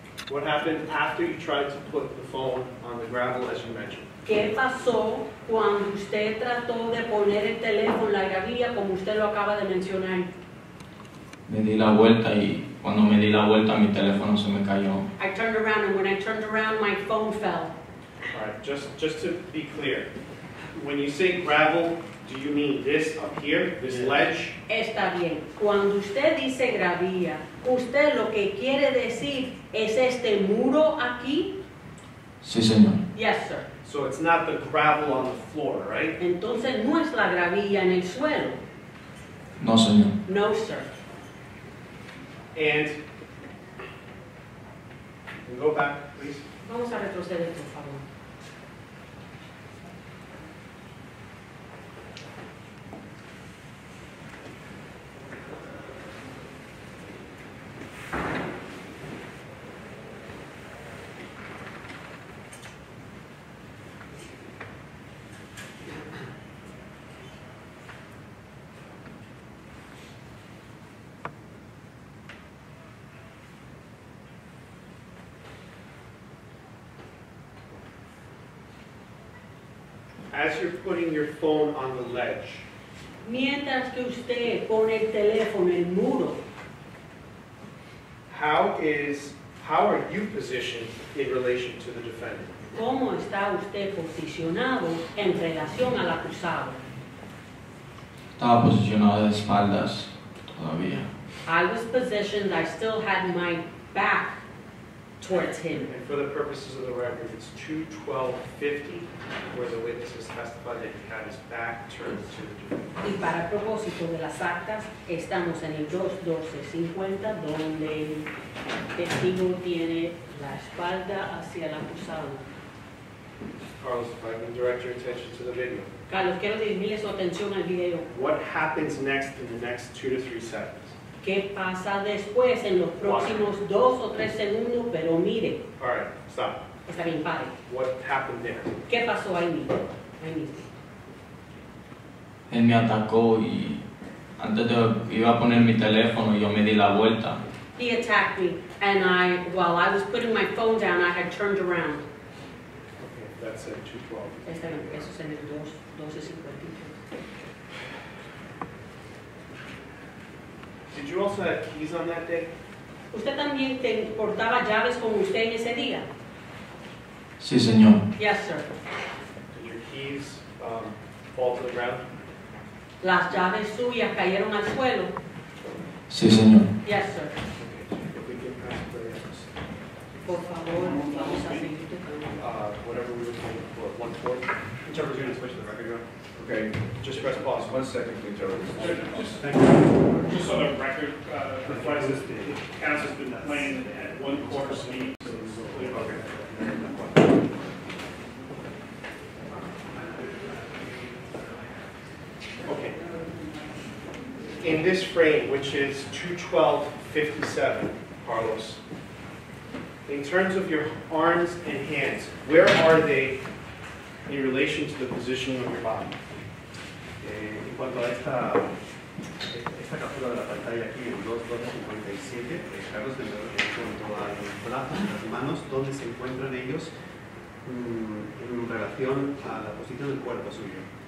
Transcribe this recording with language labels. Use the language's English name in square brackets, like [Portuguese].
[English] What happened after you tried to put the phone on the gravel, as you mentioned? [Spanish] ¿Qué pasó cuando usted trató de poner el teléfono en la gravilla, como usted lo acaba de mencionar? Me di la vuelta y cuando me di la vuelta, mi teléfono se me cayó. [English] I turned around, and when I turned around, my phone fell. All right, just to be clear, when you say gravel, do you mean this up here, this ledge? [Spanish] Está bien. Cuando usted dice gravilla, ¿usted lo que quiere decir es este muro aquí? Sí, señor. [English] Yes, sir. So it's not the gravel on the floor, right? [Spanish] Entonces no es la gravilla en el suelo. No, señor. [English] No, sir. And can go back, please. [Spanish] Vamos a retroceder, por favor. [English] As you're putting your phone on the ledge, [Spanish] mientras que usted pone el teléfono en muro, [English] how are you positioned in relation to the defendant? [Spanish] ¿Cómo está usted posicionado en relación al acusado? Estaba posicionado de espaldas todavía. [English] I was positioned, I still had my back towards him. And for the purposes of the record, it's 212-50 where the witness has testified that he had his back turned to the defendant. [Spanish] Y para propósito de las actas, estamos en el 212-50 donde el testigo tiene la espalda hacia el acusado. [English] Carlos, if I can direct your attention to the video. [Spanish] Carlos, quiero dirigirle su atención al video. [English] What happens next in the next 2 to 3 seconds? [Spanish] ¿Qué pasa después en los próximos dos o tres segundos? Pero mire. [English] All right, stop. [Spanish] Está bien, pare. [English] What happened there? [Spanish] ¿Qué pasó ahí mismo? Ahí mismo. Él me atacó y antes de iba a poner mi teléfono, yo me di la vuelta. [English] He attacked me, and I, while I was putting my phone down, I had turned around. Okay, that's at 212. [Spanish] Está bien, eso es en el 212. [English] Did you also have keys on that day? [Spanish] ¿Usted también te portaba llaves con usted en ese día? Sí, señor. [English] Yes, sir. Did your keys fall to the ground? [Spanish] ¿Las llaves suyas cayeron al suelo? Sí, señor. [English] Yes, sir. Okay, if we can pass the answers. [Spanish] Por favor, vamos a seguir. [English] Whatever we were talking about, one fourth. Interpreter, you're going to switch the record around. Okay, just press pause. 1 second, please, gentlemen. Just so the record reflects this, the counsel has been playing at one quarter speed. So it's clear. Okay. Okay. In this frame, which is 212-57, Carlos, in terms of your arms and hands, where are they in relation to the position of your body? [Spanish] En cuanto a esta captura de la pantalla aquí, en 2257, Carlos, en cuanto a los brazos y las manos, ¿dónde se encuentran ellos en relación a la posición del cuerpo suyo?